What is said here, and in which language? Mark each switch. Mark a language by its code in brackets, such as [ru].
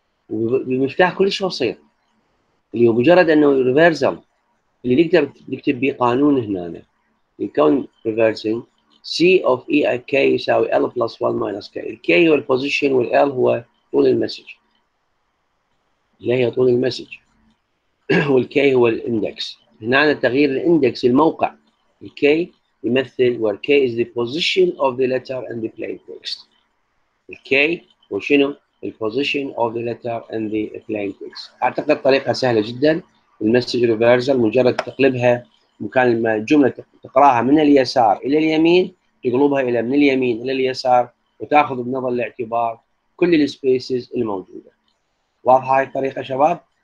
[ar] وبمفتاح كل شيء بسيط اللي هو مجرد أنه reversal اللي نقدر نكتب به قانون هنا يكون reversing C of E I K يساوي L plus 1 minus K. الـ K هو position والL هو طول المسج اللي هي طول المسج والK هو الindex. هنا تغيير الindex الموقع الK يمثل [en] where K is the position of the letter and the plain text. [ar] الK هو شنو؟ [en] The position of the letter and the plain text. [ar] أعتقد طريقة سهلة جدا المسج reversal مجرد تقلبها مكان ما الجملة تقرأها من اليسار إلى اليمين تقلبها إلى من اليمين إلى اليسار وتأخذ بنظر الاعتبار كل السبيسز الموجودة. واضحة هاي الطريقة شباب؟